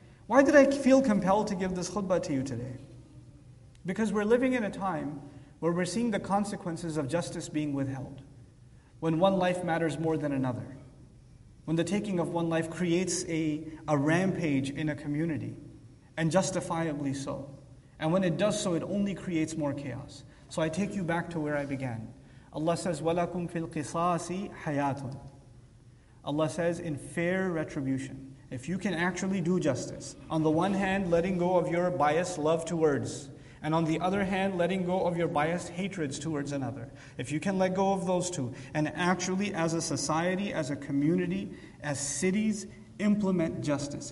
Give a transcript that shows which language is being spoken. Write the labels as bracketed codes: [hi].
[en] Why did I feel compelled to give this khutbah to you today? Because we're living in a time where we're seeing the consequences of justice being withheld. When one life matters more than another. When the taking of one life creates a rampage in a community, and justifiably so. And when it does so, it only creates more chaos. So I take you back to where I began. Allah says, [ar] وَلَكُمْ فِي الْقِصَاصِ حَيَاتٌ. [en] Allah says, in fair retribution, if you can actually do justice, on the one hand, letting go of your biased love towards, and on the other hand, letting go of your biased hatreds towards another. If you can let go of those two, and actually as a society, as a community, as cities, implement justice.